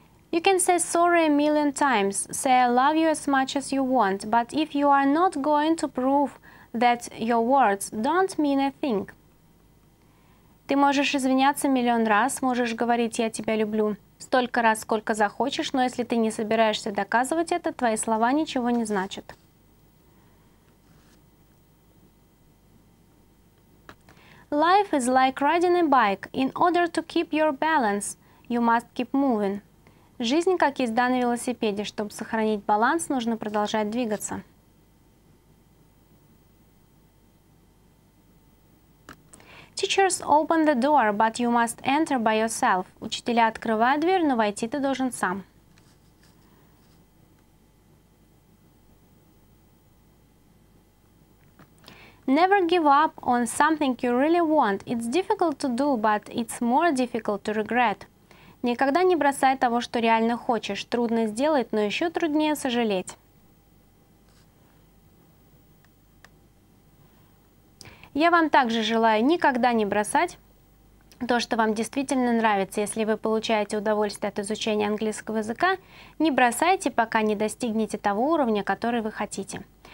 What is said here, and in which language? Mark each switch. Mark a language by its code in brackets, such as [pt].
[en] You can say sorry a million times, say I love you as much as you want, but if you are not going to prove that your words don't mean a thing. [ru] Ты можешь извиняться миллион раз, можешь говорить «я тебя люблю» столько раз, сколько захочешь, но если ты не собираешься доказывать это, твои слова ничего не значат. [en] Life is like riding a bike. In order to keep your balance, you must keep moving. [ru] Жизнь как езда на велосипеде. Чтобы сохранить баланс, нужно продолжать двигаться. [en] Teachers open the door, but you must enter by yourself. [ru] Учителя открывают дверь, но войти ты должен сам. [en] Never give up on something you really want. It's difficult to do, but it's more difficult to regret. [ru] Никогда не бросай того, что реально хочешь. Трудно сделать, но еще труднее сожалеть. Я вам также желаю никогда не бросать то, что вам действительно нравится. Если вы получаете удовольствие от изучения английского языка, не бросайте, пока не достигнете того уровня, который вы хотите.